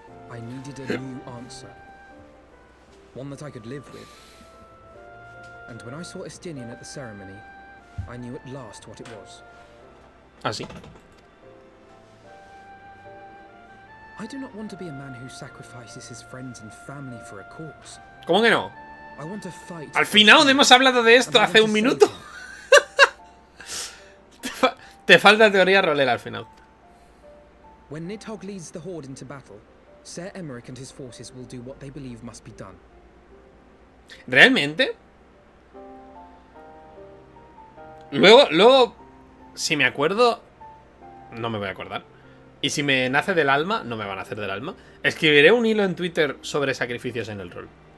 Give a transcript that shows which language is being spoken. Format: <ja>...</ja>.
<en>I needed a new answer. One that I could live with. And when I saw Estinian at the ceremony, I knew at last what it was.</en> <es>Ah, sí.</es> <en>I do not want to be a man who sacrifices his friends and family for a cause.</en> <es>¿Cómo que no?</es> <en>I want to fight.</en> <es>Al final hemos hablado de esto hace un minuto. te falta teoría rolera al final.</es> <en>When Nidhogg leads the horde into battle, Ser Emmerich and his forces will do what they believe must be done.</en> <es>¿Realmente? Luego, si me acuerdo, no me voy a acordar. Y si me nace del alma, no me van a hacer del alma, escribiré un hilo en Twitter sobre sacrificios en el rol.</es>